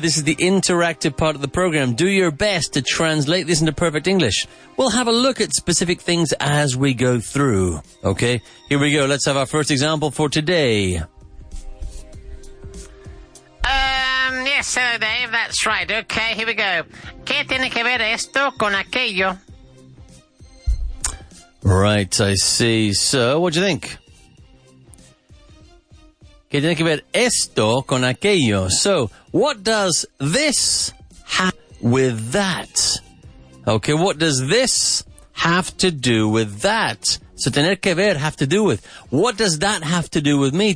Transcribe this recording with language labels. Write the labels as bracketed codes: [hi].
[en] This is the interactive part of the program. Do your best to translate this into perfect English. We'll have a look at specific things as we go through. Okay, here we go. Let's have our first example for today. Yes, hello, Dave, that's right. Okay, here we go. [es] ¿Qué tiene que ver esto con aquello? [en] Right, I see. So, what do you think? [es] ¿Qué tiene que ver esto con aquello? [en] So, what does this have with that? Okay, what does this have to do with that? So, tener que ver, have to do with. What does that have to do with me?